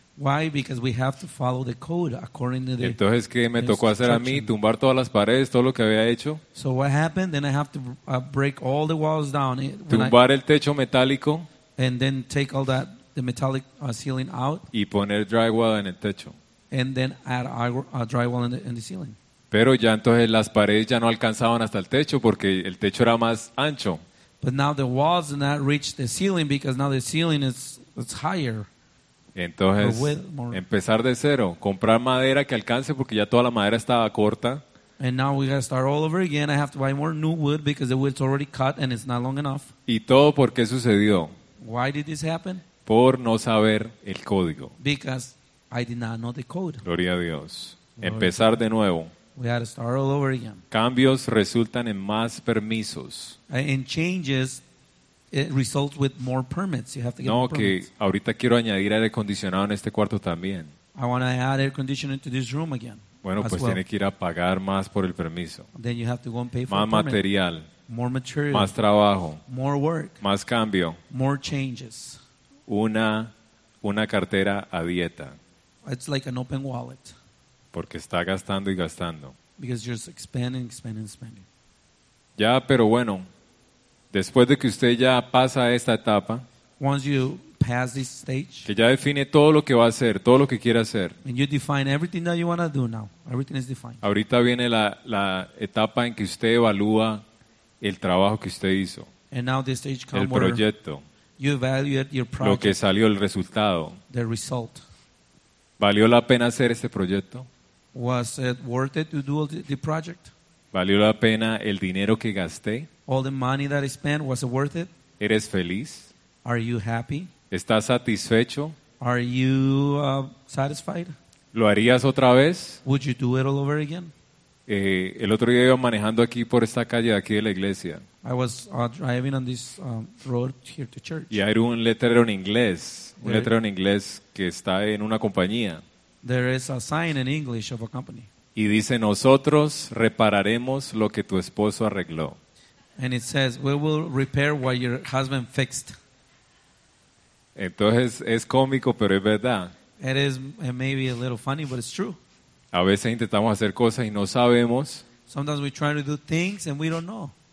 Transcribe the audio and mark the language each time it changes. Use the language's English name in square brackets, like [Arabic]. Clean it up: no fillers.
[English] Why? Because we have to follow the code according to the. [Spanish] Entonces, ¿qué me tocó hacer a mí? Tumbar todas las paredes, todo lo que había hecho. [English] So what happened? Then I have to break all the walls down. [Spanish] Tumbar el techo metálico. [English] And then take all that the metallic ceiling out. [Spanish] Y poner drywall en el techo. [English] And then add a drywall in the ceiling. [Spanish] Pero ya entonces las paredes ya no alcanzaban hasta el techo porque el techo era más ancho. [English] But now the walls do not reach the ceiling because now the ceiling is it's higher. [Spanish] Entonces, empezar de cero, comprar madera que alcance porque ya toda la madera estaba corta. [English] And now we gotta start all over again. I have to buy more new wood because the wood's already cut and it's not long enough. [Spanish] ¿Y todo por qué sucedió? [English] Why did this happen? [Spanish] Por no saber el código. [English] Because I did not know the code. [Spanish] Gloria a Dios. Empezar de nuevo. [English] We gotta start all over again. [Spanish] Cambios resultan en más permisos. [English] And changes. It results with more permits. You have to get no, more permits. [Spanish] No, que ahorita quiero añadir aire acondicionado en este cuarto también. [English] I want to add air conditioning to this room again. [Spanish] Bueno, pues [English] well. [Spanish] Tiene que ir a pagar más por el permiso. [English] Then you have to go and pay for [Spanish] más material. [English] More material. [Spanish] Más trabajo. [English] More work. [Spanish] Más cambio. [English] More changes. [Spanish] Una cartera a dieta. [English] It's like an open wallet. [Spanish] Porque está gastando y gastando. [English] Because you're just expanding, expanding, expanding. [Spanish] Ya, pero bueno. Después de que usted ya pasa esta etapa, [English] once you pass this stage, [Spanish] que ya define todo lo que va a hacer, todo lo que quiere hacer, [English] and you define everything that you want to do now, everything is defined. [Spanish] Ahorita viene la etapa en que usted evalúa el trabajo que usted hizo, [English] and now this stage comes [Spanish] el proyecto, [English] where you evaluate your project, [Spanish] lo que salió, el resultado, [English] the result. [Spanish] ¿Valió la pena hacer este proyecto? [English] Was it worth it to do the project? [Spanish] ¿Valió la pena el dinero que gasté? [English] All the money that I spent, was it worth it? [Spanish] ¿Eres feliz? [English] Are you happy? [Spanish] ¿Estás satisfecho? [English] Are you satisfied? [Spanish] ¿Lo harías otra vez? [English] Would you do it all over again? [Spanish] El otro día iba manejando aquí por esta calle de aquí de la iglesia. [English] I was driving on this road here to church. [Spanish] Y hay un letrero en inglés, que está en una compañía. [English] There is a sign in English of a company. [Spanish] Y dice, nosotros repararemos lo que tu esposo arregló. [English] And it says, we will repair what your husband fixed. [Spanish] Entonces, es cómico, pero es verdad. [English] It is maybe a little funny, but it's true. [Spanish] A veces intentamos hacer cosas y no sabemos. [English] Sometimes we try to do things and we don't know.